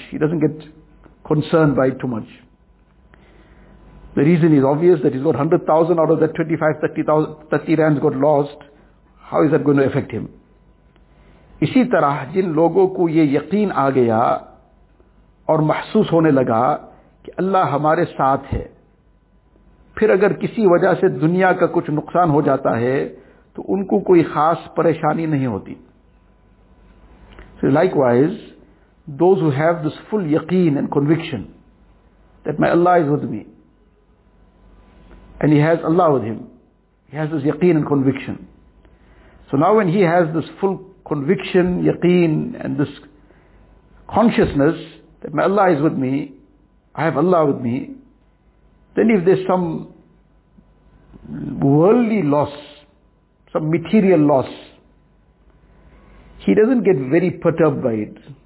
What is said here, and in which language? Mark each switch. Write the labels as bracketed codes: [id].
[en] He doesn't get concerned by it too much. The reason is obvious that he's got 100,000 out of that 25-30 rands got lost. How is that going to affect him? [ur] اسی طرح جن لوگوں کو یہ یقین آ گیا اور محسوس ہونے لگا کہ اللہ ہمارے ساتھ ہے, پھر اگر کسی وجہ سے دنیا کا کچھ نقصان ہو جاتا ہے تو ان کو کوئی خاص پریشانی نہیں ہوتی. [en] So likewise, those who have this full yaqeen and conviction that my Allah is with me and He has Allah with Him, He has this yaqeen and conviction. So now when he has this full conviction, yaqeen, and this consciousness that my Allah is with me, I have Allah with me, then if there's some worldly loss, some material loss, he doesn't get very perturbed by it.